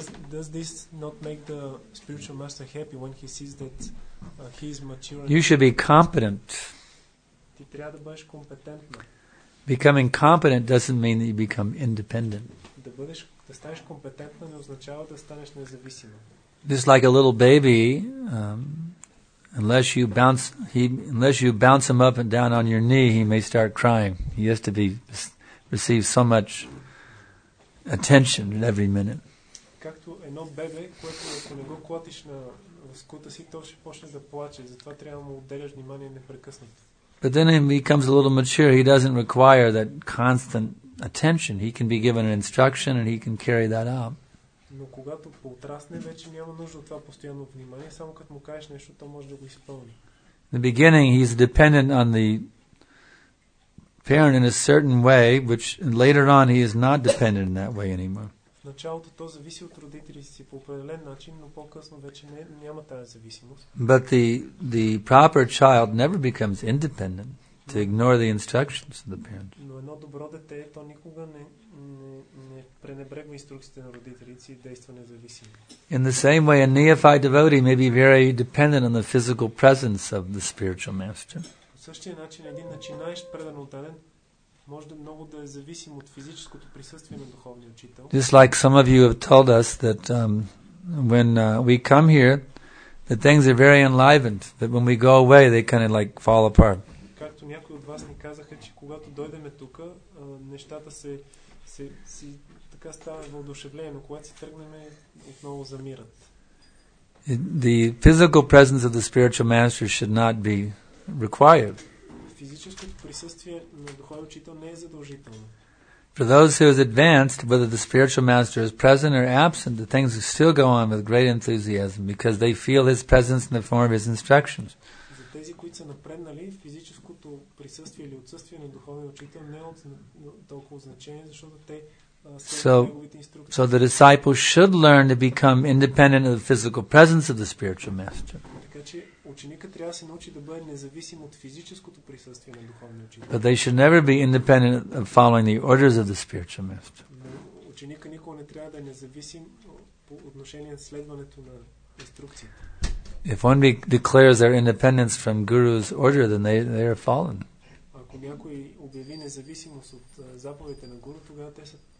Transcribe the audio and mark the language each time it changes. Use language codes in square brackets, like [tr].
[en] Does this not make the spiritual master happy when he sees that he is mature? You should be competent. [bg] Ти трябва да бъдеш компетентна. [en] Becoming competent doesn't mean that you become independent. [bg] Да станеш компетентна не означава да станеш независима. [en] Just like a little baby, unless you bounce him up and down on your knee, he may start crying. He has to be receive so much attention at every minute. [bg] Както едно бебе, което ако не го клатиш на скута си, то ще почне да плаче. Затова трябва да му отделяш внимание непрекъснато. [en] But then he becomes a little mature. He doesn't require that constant attention. He can be given an instruction and he can carry that out. [bg] Но когато поотрасне, вече няма нужда от това постоянно внимание. Само като му кажеш нещо, то може да го изпълни. [en] In the beginning, he's dependent on the parent in a certain way, which later on he is not dependent in that way anymore. [bg] В началото то зависи от родителите си по определен начин, но по-късно вече няма тази зависимост. [en] But the proper child never becomes independent to ignore the instructions of the parent. [bg] Но едно добро дете, то никога не пренебрегва инструкциите на родителите си и действа независимо. [en] In the same way, a neophyte devotee may be very dependent on the physical presence of the spiritual master. [bg] Същия начин един начинаещ предан отделен може да много да е зависим от физическото присъствие на духовния учител. [en] Just like some of you have told us that when we come here, the things are very enlivened, that when we go away, they kind of like fall apart. [bg] Както някои от вас ни казаха, че когато дойдеме тук, нещата се така става въодушевление, но когато си тръгнеме, отново замират. [en] The physical presence of the spiritual master should not be required. [bg] Физическото присъствие на духовния учител не е задължително. [en] For those who is advanced, whether the spiritual master is present or absent, the things still go on with great enthusiasm because they feel his presence in the form of his instructions. [bg] За тези, които са напреднали, физическото присъствие или отсъствие на духовния учител не е от толкова значение, защото те [en] So the disciple should learn to become independent of the physical presence of the spiritual master. [bg] Така че ученикът трябва да се научи да бъде независим от физическото присъствие на духовния учител. [en] But they should never be independent of following the orders of the spiritual master. [bg] Ученикът никога не трябва да е независим по отношение на следването на инструкцията. [en] If one declares their independence from guru's order, then they are fallen. [bg] Ако някой обяви независимост от заповедите на гуру, тогава те са